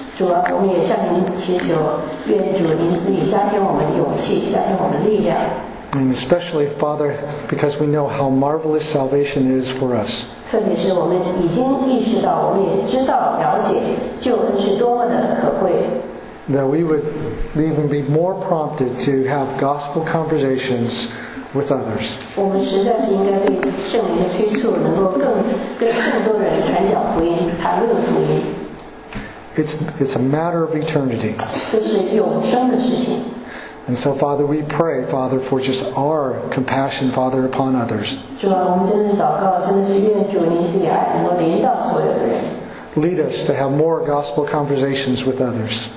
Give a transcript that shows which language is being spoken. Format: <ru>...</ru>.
<zh>主啊，我们也向您祈求，愿主您自己加添我们的勇气，加添我们的力量。</zh> <en>And especially, Father, because we know how marvelous salvation is for us.</en> <zh>特别是我们已经意识到，我们也知道了解救恩是多么的可贵。</zh> <en>That we would even be more prompted to have gospel conversations with others.</en> <zh>我们实在是应该被圣灵催促，能够跟更多人传讲福音，谈论福音。</zh> <en>It's a matter of eternity. And so, Father, we pray, Father, for just our compassion, Father, upon others. Lead us to have more gospel conversations with others.</en>